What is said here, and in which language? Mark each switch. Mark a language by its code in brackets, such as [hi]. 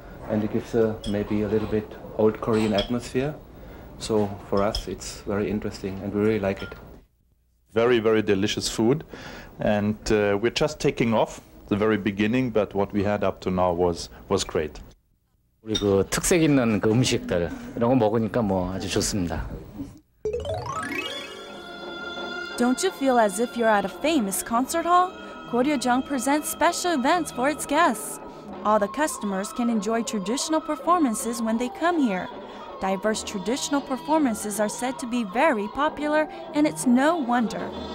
[en] And it gives maybe a little bit old Korean atmosphere. So for us, it's very interesting and we really like it. Very, very delicious food. And we're just taking off the very beginning, but what we had up to now was great. [ko] 우리 그 특색 있는 그 음식들 이런 거 먹으니까 뭐 아주 좋습니다. [en] Don't you feel as if you're at a famous concert hall? Goryeojang presents special events for its guests. All the customers can enjoy traditional performances when they come here. Diverse traditional performances are said to be very popular, and it's no wonder.